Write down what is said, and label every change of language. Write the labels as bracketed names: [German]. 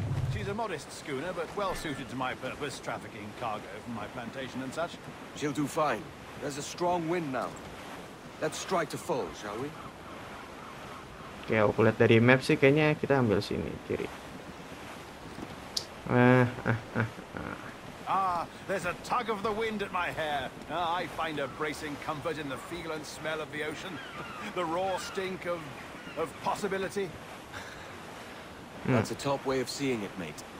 [English] She's a modest schooner, but well suited to my purpose, trafficking cargo from my plantation and such. She'll do fine. There's a strong wind now. Let's strike to full, shall we? [Indonesian] Oke, aku lihat dari map sih kayaknya kita ambil sini kiri. [English] Ah, there's a tug of the wind at my hair. Ah, I find a bracing comfort in the feel and smell of the ocean. The raw stink of possibility. That's a top way of seeing it, mate.